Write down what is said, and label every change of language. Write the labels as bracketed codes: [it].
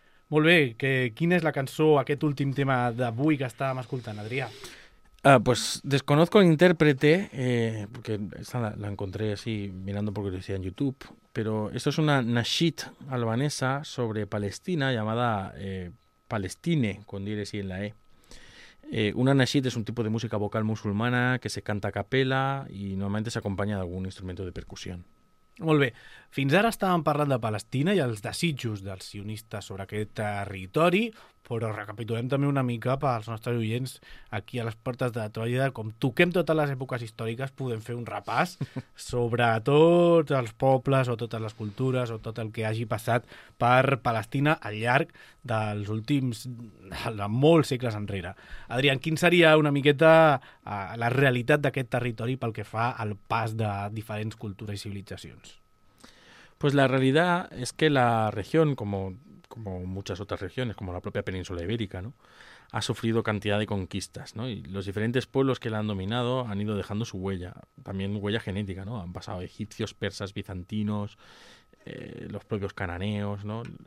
[ca] Molt bé, quina és la cançó, aquest últim tema d'avui que estàvem escoltant, Adrià? [es] Pues desconozco el intérprete, porque esta la encontré así mirando por curiosidad en YouTube, pero esto es una nasheed albanesa sobre Palestina llamada Palestine, con diéresis en la E. Una nasheed es un tipo de música vocal musulmana que se canta a capela y normalmente se acompaña de algún instrumento de percusión. [ca] Molt bé. Fins ara estàvem parlant de Palestina i els desitjos dels sionistes sobre aquest territori, però recapitulem també una mica pels nostres oients aquí a les portes de Troia. Com toquem totes les èpoques històriques, podem fer un repàs sobre tots els pobles o totes les cultures o tot el que hagi passat per Palestina al llarg dels últims, de molts segles enrere. Adrià, quin seria una miqueta la realitat d'aquest territori pel que fa al pas de diferents cultures i civilitzacions? [es] Pues la realidad es que la región, como muchas otras regiones, como la propia península ibérica, ¿no?, ha sufrido cantidad de conquistas, ¿no?, y los diferentes pueblos que la han dominado han ido dejando su huella, también huella genética, ¿no? Han pasado egipcios, persas, bizantinos, los propios cananeos, ¿no?